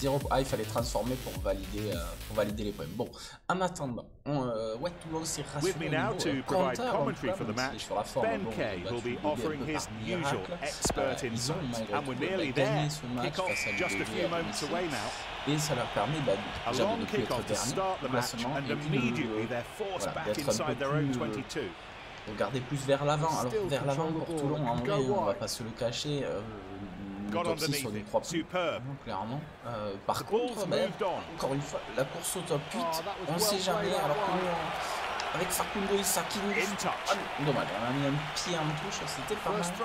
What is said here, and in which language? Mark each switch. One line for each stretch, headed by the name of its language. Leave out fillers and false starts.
French: Ah, il fallait transformer pour valider les points. Bon, en attendant, ouais, Toulon s'est rassuré.
English: With me now to provide commentary for the match, Ben Kay will be offering his usual expert insight. And we're nearly there. Kick off just a few moments away now.
French: Et ça leur permet
English: a long kick off to start the match, and immediately they're forced back inside their own 22.
French: Regarder plus vers l'avant, alors vers l'avant pour Toulon, en vrai, on va pas se le cacher, top 6 on y croit plus, clairement. Par contre, encore une fois, la course au top 8, on sait jamais, alors que nous, avec Facundo Isaki, dommage, on a mis un pied en touche, c'était pas mal.